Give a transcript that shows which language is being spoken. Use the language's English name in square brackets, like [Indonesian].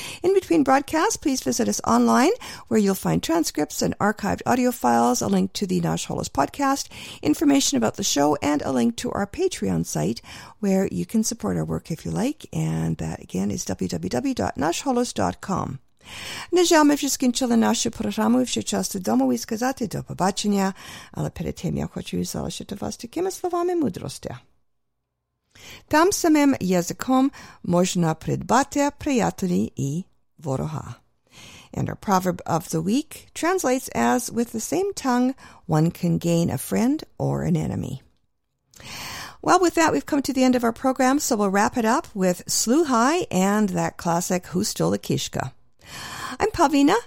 [English] In between broadcasts, please visit us online, where you'll find transcripts and archived audio files, a link to the Nash Holos podcast, information about the show, and a link to our Patreon site, where you can support our work if you like, and that again is www.nashholos.com. [Ukrainian] На жаль, ми вже скінчили нашу програму і вже час додому і сказати до побачення, але перед тим я хочу залишити вас такими словами мудрості. Там самим язиком можна придбати приятелі і ворога. [English] And our proverb of the week translates as, with the same tongue, one can gain a friend or an enemy. Well, with that, we've come to the end of our program, so we'll wrap it up with Slew High and that classic, Who Stole the Kishka? I'm Pavlina.